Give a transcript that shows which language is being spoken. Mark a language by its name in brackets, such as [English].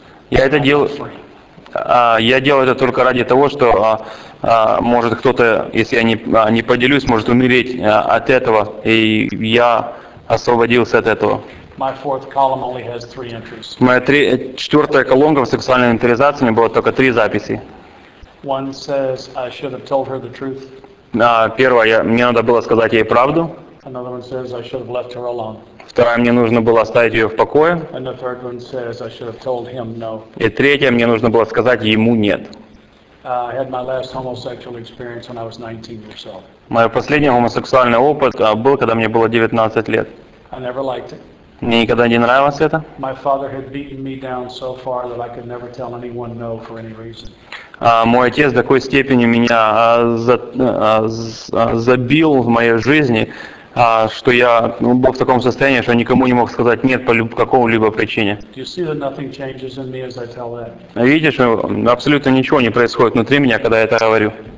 [Russian] Я делаю это только ради того, что может кто-то, если я не поделюсь, может умереть от этого, и я освободился от этого. [English] My fourth column only has three entries. [Russian] Моя четвертая колонка в сексуальной инвентаризации, у меня было только три записи. [English] One says I should have told her the truth. [Russian] Первое, мне надо было сказать ей правду. [English] Another one says I should have left her alone. [Russian] Второе, мне нужно было оставить ее в покое. [English] And the third one says I should have told him no. [Russian] И третье, мне нужно было сказать ему нет. [English] I had my last homosexual experience when I was 19 years old. [Russian] Мой последний гомосексуальный опыт был, когда мне было 19 лет. [English] I never liked it. [Russian] Мне никогда не нравилось это. [English] My father had beaten me down so far that I could never tell anyone no for any reason. [Russian] Мой отец в такой степени меня забил в моей жизни, что я был в таком состоянии, что никому не мог сказать нет по какому-либо причине. Видишь, абсолютно ничего не происходит внутри меня, когда я это говорю.